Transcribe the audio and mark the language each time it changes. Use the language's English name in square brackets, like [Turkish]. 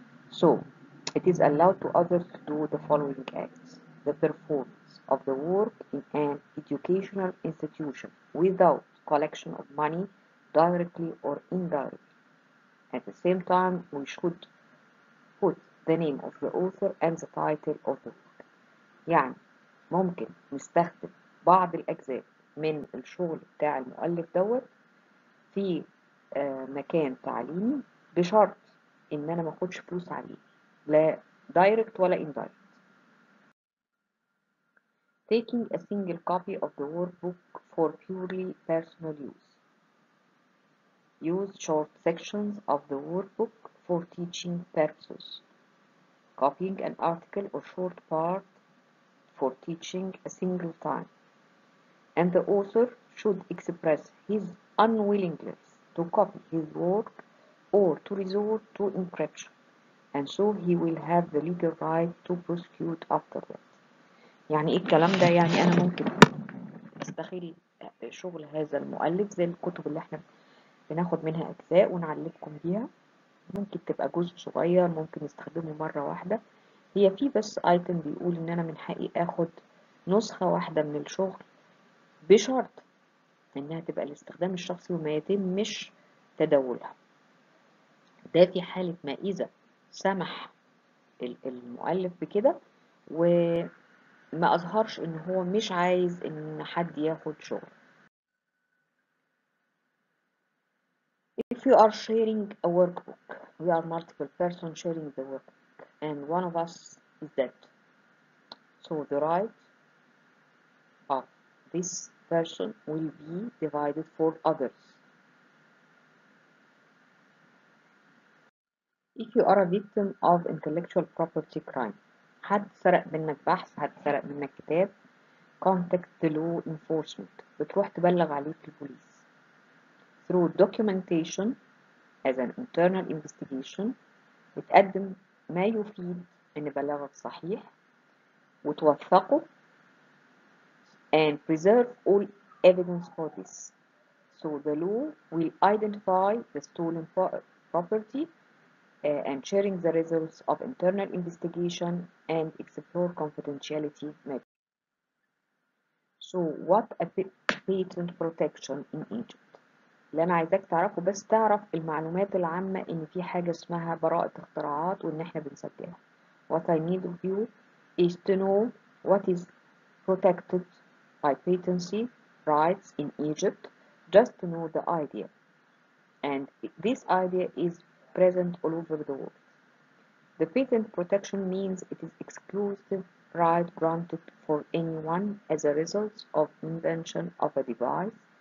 [English] So it is allowed to others to do the following acts: the performance of the work in an educational institution without collection of money directly or indirectly. At the same time, we should put the name of the author and the title of the book. [Arabic] يعني ممكن نستخدم بعض الأجزاء من الشغل بتاع المؤلف دوت في مكان تعليمي بشرط إن أنا ما أخدش فلوس عليه لا دايركت ولا إندايركت. [English] taking a single copy of the workbook for purely personal use. Use short sections of the workbook for teaching purposes. Copying an article or short part for teaching a single time. And the author should express his unwillingness to copy his work or to resort to encryption. And so he will have the legal right to prosecute after that. [Arabic] يعني إيه الكلام ده؟ يعني أنا ممكن أستخيل شغل هذا المؤلف زي الكتب اللي إحنا بناخد منها أجزاء ونعلقكم بيها. ممكن تبقى جزء صغير، ممكن نستخدمه مرة واحدة. هي في بس آيتم بيقول إن أنا من حقي آخد نسخة واحدة من الشغل بشرط إنها تبقى الاستخدام الشخصي وما يتمش تداولها. ده في حالة ما إذا سمح المؤلف بكده وما أظهرش إن هو مش عايز إن حد ياخد شغل. [English] If you are sharing a workbook, we are multiple persons sharing the workbook, and one of us is dead. So the right of this person will be divided for others. If you are a victim of intellectual property crime, [Arabic] حد سرق منك بحث، حد سرق منك كتاب, [English] contact the law enforcement. [Arabic] بتروح تبلغ عليه في البوليس. [English] Through documentation as an internal investigation, [Arabic] بتقدم ما يفيد ان بلاغك صحيح وتوثقه. [English] And preserve all evidence for this. So the law will identify the stolen property and sharing the results of internal investigation and explore confidentiality matters. So what a patent protection in Egypt. [Arabic] اللي أنا عايزاك تعرفه بس تعرف المعلومات العامة إن في حاجة اسمها براءة اختراعات وإن إحنا بنسجلها. [English] What I need of you is to know what is protected by patency rights in Egypt. Just to know the idea. And this idea is present all over the world. The patent protection means it is exclusive right granted for anyone as a result of invention of a device.